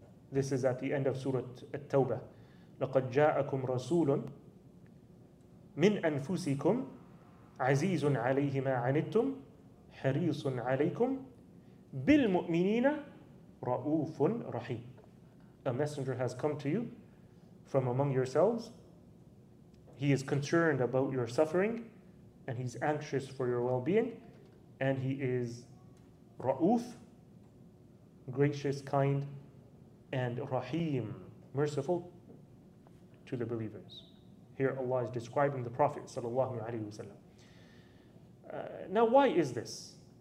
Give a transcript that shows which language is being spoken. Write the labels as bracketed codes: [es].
[en] This is at the end of Surah At-Tawbah. [ar] لَقَدْ جَاءَكُمْ رَسُولٌ مِنْ أَنفُسِكُمْ عَزِيزٌ عَلَيْهِ مَا عَنِتُّمْ حَرِيصٌ عَلَيْكُمْ بِالْمُؤْمِنِينَ رَؤُوفٌ رَحِيمٌ. [en] A messenger has come to you from among yourselves. He is concerned about your suffering and he's anxious for your well-being, and he is Ra'uf, gracious, kind, and Rahim, merciful to the believers. Here Allah is describing the Prophet sallallahu alaihi wasallam. Now why is this?